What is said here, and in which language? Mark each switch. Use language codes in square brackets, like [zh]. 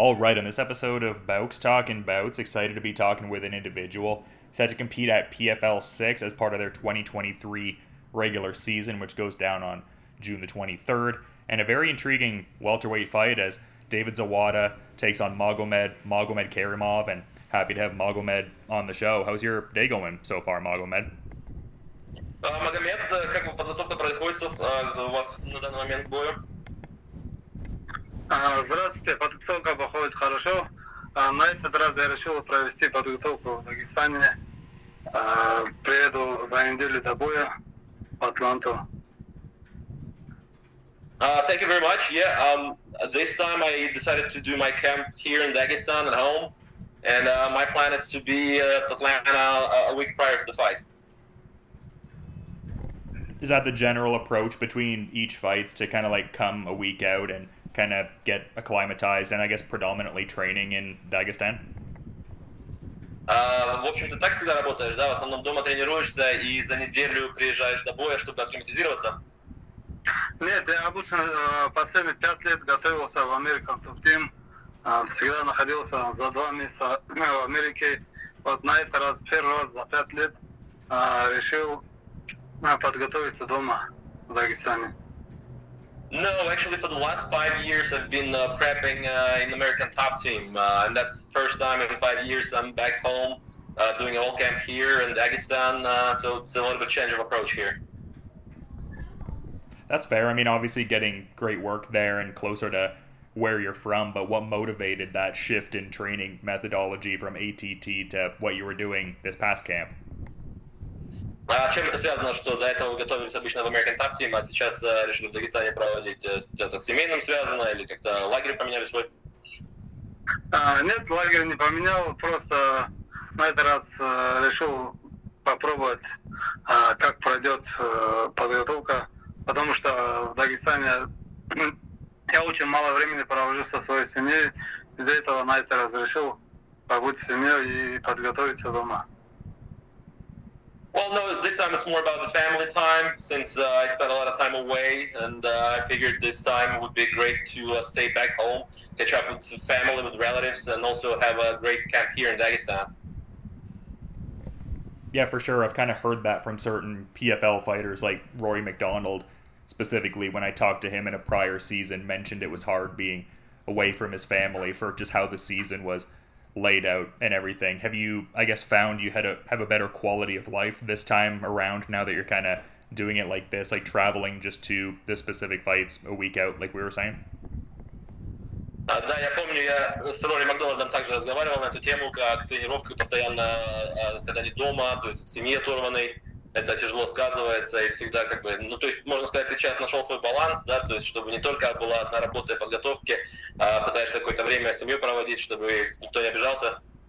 [en] All right, on this episode of Bouts Talking Bouts, excited to be talking with an individual set to compete at PFL 6 as part of their 2023 regular season, which goes down on June the 23rd, and a very intriguing welterweight fight as David Zawada takes on Magomed Karimov, and happy to have Magomed on the show. How's your day going so far, Magomed? [ru] Магомед, как бы подготовка проходит у вас на данный момент к бою? Здравствуйте, подготовка проходит хорошо. На этот раз я решил провести подготовку в Дагестане. Приеду за неделю до боя в Атланту. [en] Thank you very much. Yeah, this time I decided to do my camp here in Dagestan at home. And my plan is to be at Atlanta a week prior to the fight. Is that the general approach between each fights to kind of like come a week out and kind of get acclimatized and I guess predominantly training in Dagestan? [ru] В общем-то так всегда работаешь, да? В основном дома тренируешься и за неделю приезжаешь до боя, чтобы акклиматизироваться? Нет, я обычно последние 5 лет готовился в American Top Team. Всегда находился за 2 месяца в Америке. Вот на этот раз, первый раз за 5 лет решил подготовиться дома в Дагестане. [en] No, actually for the last 5 years I've been prepping in the American Top Team. And that's the first time in 5 years I'm back home doing a whole camp here in Dagestan. So it's a little bit change of approach here. That's fair. I mean, obviously getting great work there and closer to where you're from, but what motivated that shift in training methodology from ATT to what you were doing this past camp? [ru] С чем это связано, что до этого готовились обычно в American Top Team, а сейчас решили в Дагестане проводить? Это с семейным связано или как-то лагерь поменяли свой? Нет, лагерь не поменял, просто на этот раз решил попробовать, как пройдет подготовка, потому что в Дагестане я очень мало времени провожу со своей семьей, из-за этого на этот раз решил побыть с семьей и подготовиться дома. [en] Well, no, this time it's more about the family time, since I spent a lot of time away, and I figured this time it would be great to stay back home, catch up with family, with relatives, and also have a great camp here in Dagestan. Yeah, for sure. I've kind of heard that from certain PFL fighters, like Rory McDonald, specifically when I talked to him in a prior season, mentioned it was hard being away from his family for just how the season was laid out and everything. Have you, I guess, found you had a have a better quality of life this time around now that you're kind of doing it like this, like traveling just to the specific fights a week out, like we were saying? [ru] Да, я помню, я с Рори Макдональдом также разговаривал на эту тему, как тренировка постоянно, когда не дома, то есть в семье оторванный, это тяжело сказывается, и всегда как бы, ну то есть можно сказать, ты сейчас нашел свой баланс, да, то есть чтобы не только была одна работа и подготовки, а пытаешься какое-то время с семьей проводить, чтобы никто не обижался.